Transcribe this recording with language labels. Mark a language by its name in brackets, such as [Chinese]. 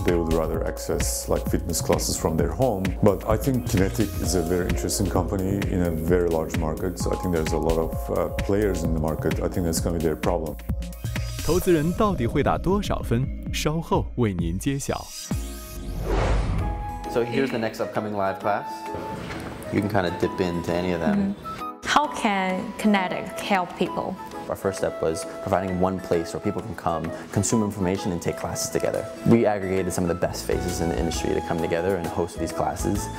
[English] They would rather access like fitness classes from their home. But I think Qinetic is a very interesting company in a very large market. So I think there's a lot of players in the market. I think that's going to be their problem. [Chinese] 投资人到底会打多少分？稍后为您揭晓。 [English] So here's the next upcoming live class. You can kind of dip into any of them. How can Qinetic help people? Our first step was providing one place where people can come, consume information, and take classes together. We aggregated some of the best faces in the industry to come together and host these classes.